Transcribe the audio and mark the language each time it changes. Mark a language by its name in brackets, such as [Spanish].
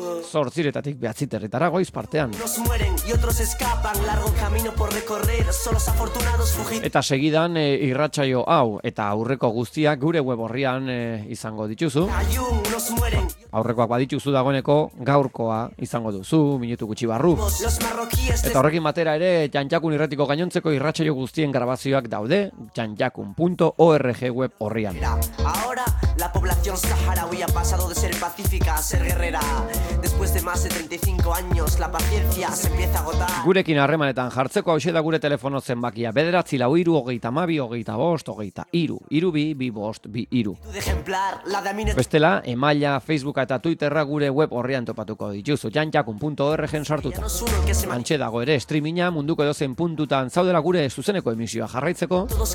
[Basque] Zortziretatik behatzi territara goiz partean. Eta segidan irratsaio hau eta aurreko guztiak gure web orrian izango dituzu. Aurrekoak badituzu dagoeneko gaurkoa izango duzu, minutu gutxi barru. Eta horrekin batera ere, Jantxakun irratiko gainontzeko irratsaio guztien grabazioak daude, jantxakun.org web orrian. [Spanish] La población saharaui ha pasado de ser pacífica a ser guerrera. Después de más de 35 años, la paciencia se empieza a agotar. [Basque] Gurekin harremanetan jartzeko hau da gure telefono zenbakia. 9, 3, 4, 22, 25, 23, 32, 25, 23. Bestela, emaila, Facebooka eta Twitterra gure web horrean topatuko dituzu. jantxakun.org-en sartuta. Antxe dago ere, streaminga munduko edozen puntutan zaudela gure zuzeneko emisioa jarraitzeko.